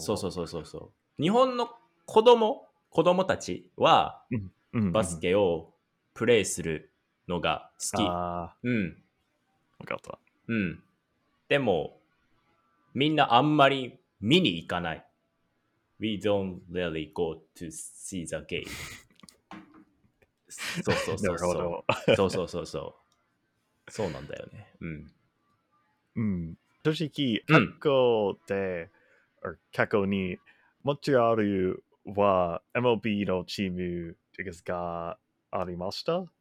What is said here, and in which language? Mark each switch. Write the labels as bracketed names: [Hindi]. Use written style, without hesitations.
[Japanese] そうそうそうそうそう。日本の子供、子供たちは、バスケをプレイするのが好き。ああ。うん。わかった。うん。でも、みんなあんまり見に行かない。 [English] We don't really go to see the game. [Japanese] そうそうそうそう。そうそうそうそうそう。そうなんだよね。うん。うん。正直、過去で、うん、過去に、モントリアールは MLB のチームですがありました。